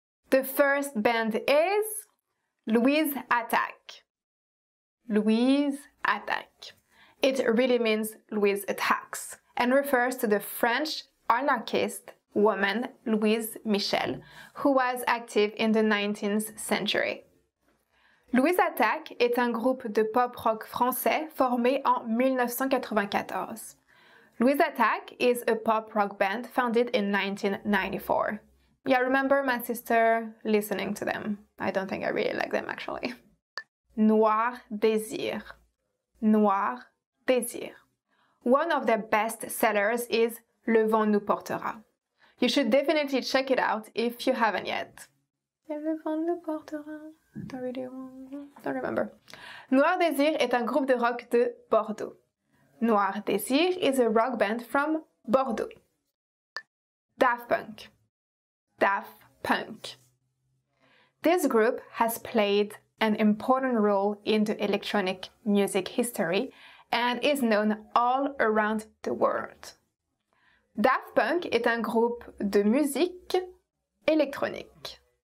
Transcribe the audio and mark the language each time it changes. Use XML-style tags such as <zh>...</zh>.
<en>The first band is Louise Attack. Louise Attack. It really means Louise Attacks and refers to the French anarchist woman Louise Michel, who was active in the 19th century.</en> <fr>Louise Attack est un groupe de pop-rock français formé en 1994.</fr> <en>Louise Attack is a pop-rock band founded in 1994. Yeah, I remember my sister listening to them. I don't think I really like them, actually. Noir Désir. Noir Désir. One of their best sellers is Le Vent Nous Portera. You should definitely check it out if you haven't yet. Le Vent Nous Portera. Don't remember.</en> <fr>Noir Désir est un groupe de rock de Bordeaux.</fr> <en>Noir Désir is a rock band from Bordeaux. Daft Punk. Daft Punk. This group has played an important role in the electronic music history and is known all around the world.</en> <fr>Daft Punk est un groupe de musique électronique.</fr>